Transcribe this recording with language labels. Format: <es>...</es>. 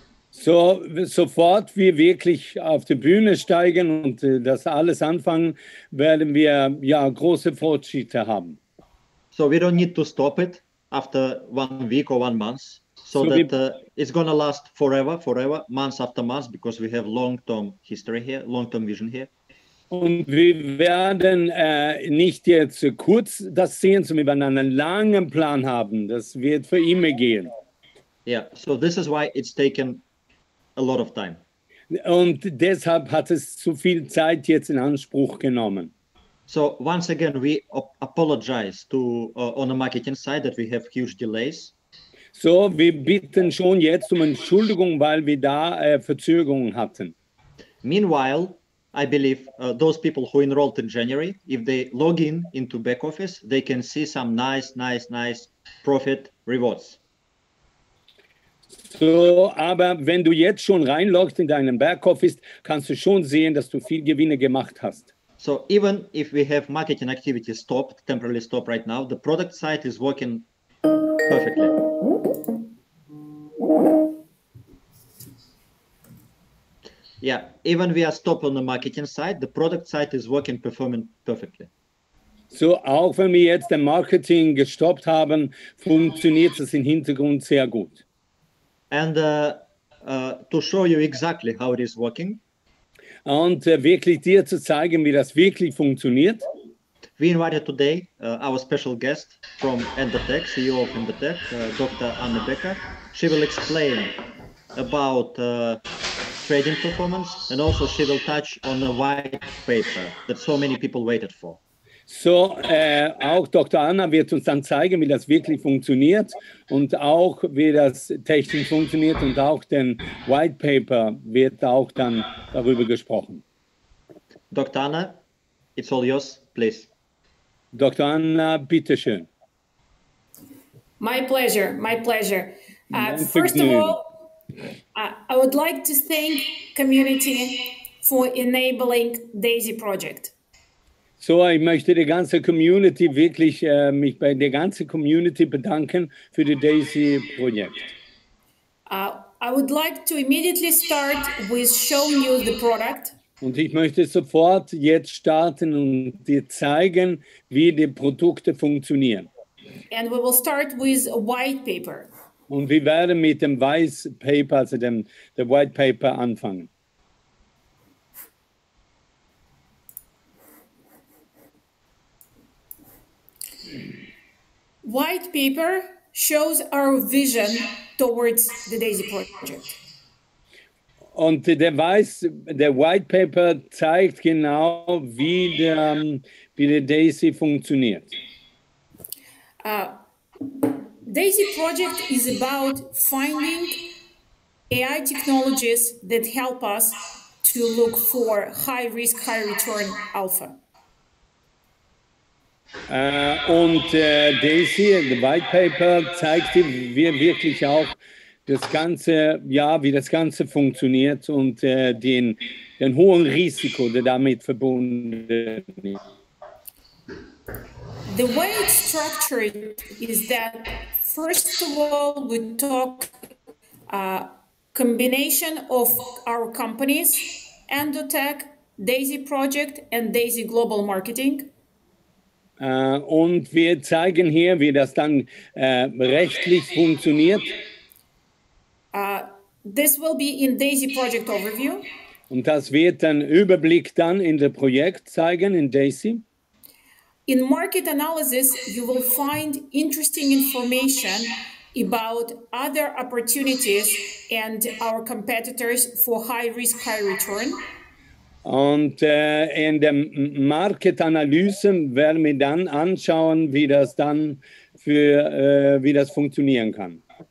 <de>So sofort wir wirklich auf die Bühne steigen und das alles anfangen, werden wir ja große Fortschritte haben.</de> <en>So we don't need to stop it after 1 week or 1 month. It's gonna last forever, month after month, because we have long-term history here, long-term vision here.</en> <de>Und wir werden nicht jetzt kurz das sehen, sondern wir werden einen langen Plan haben. Das wird für immer gehen.</de> <en>Yeah, so this is why it's taken a lot of time.</en> <de>Und deshalb hat es zu viel Zeit jetzt in Anspruch genommen.</de> <en>So once again we apologize to on the marketing side that we have huge delays.</en> <de>So wir bitten schon jetzt um Entschuldigung, weil wir da Verzögerungen hatten.</de> <en>Meanwhile, I believe those people who enrolled in January, if they log in into back office, they can see some nice profit rewards.</en> <de>So, aber wenn du jetzt schon reinloggst in deinen Backoffice, kannst du schon sehen, dass du viel Gewinne gemacht hast.</de> <en>So even if we have marketing activity stopped, temporarily stopped right now, the product side is working perfectly. Yeah, even we are stopped on the marketing side, the product side is working, performing perfectly.</en> <de>So, auch wenn wir jetzt den Marketing gestoppt haben, funktioniert es im Hintergrund sehr gut.</de> <en>And to show you exactly how it is working.</en> <de>Und wirklich dir zu zeigen, wie das wirklich funktioniert.</de> <en>We invited today our special guest from Endotech, CEO of Endotech, Dr. Anne Becker. She will explain about trading performance and also she will touch on the white paper that so many people waited for.</en> <de>So, auch Dr. Anna wird uns dann zeigen, wie das wirklich funktioniert und auch wie das technisch funktioniert und auch den White Paper wird auch dann darüber gesprochen.</de> <en>Dr. Anna, it's all yours, please.</en> <de>Dr. Anna, bitteschön.</de> <en>My pleasure, my pleasure. First of all, I would like to thank community for enabling DAISY project.</en> <de>So, ich möchte die ganze Community wirklich mich bei der ganzen Community bedanken für das DAISY-Projekt.</de> <en>I would like to immediately start with showing you the product.</en> <de>Und ich möchte sofort jetzt starten und dir zeigen, wie die Produkte funktionieren.</de> <en>And we will start with a white paper.</en> <de>Und wir werden mit dem White Paper, also dem White Paper, anfangen.</de> <en>White paper shows our vision towards the DAISY project.</en> <de>Und der White Paper zeigt genau, wie der DAISY funktioniert.</de> <en>DAISY project is about finding AI technologies that help us to look for high risk, high return alpha.</en> <de>DAISY, the White Paper, zeigt dir wirklich auch das Ganze, ja, wie das Ganze funktioniert und den hohen Risiko, der damit verbunden ist.</de> <en>The way it's structured is that, first of all, we talk combination of our companies, Endotech, DAISY Project and DAISY Global Marketing.</en> <de>Und wir zeigen hier, wie das dann rechtlich funktioniert.</de> <en>This will be in DAISY Project Overview.</en> <de>Und das wird dann Überblick dann in das Projekt zeigen, in DAISY.</de> <en>In Market Analysis, you will find interesting information about other opportunities and our competitors for high risk, high return.</en> <de>Und in der Market-Analyse werden wir dann anschauen, wie das dann wie das funktionieren kann.</de>